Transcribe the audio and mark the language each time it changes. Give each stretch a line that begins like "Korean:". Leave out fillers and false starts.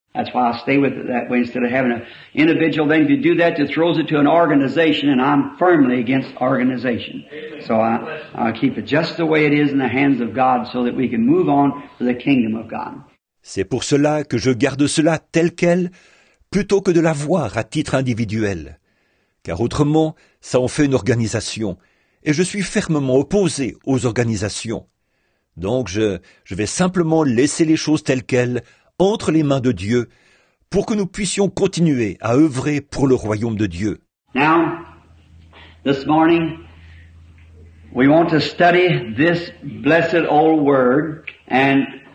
English: That's why I stay with it that way instead of having an individual thing. If you do that, it throws it to an organization, and I'm firmly against organization. So I keep it just the way it is in the hands of God so that we can move on to the kingdom of God.
French: C'est pour cela que je garde cela tel quel, plutôt que de l'avoir à titre individuel. Car autrement, ça en fait une organisation, et je suis fermement opposé aux organisations. Donc je vais simplement laisser les choses telles quelles entre les mains de Dieu pour que nous puissions continuer à œuvrer pour le royaume de Dieu.
English: Now, this morning, we want to study this blessed old word and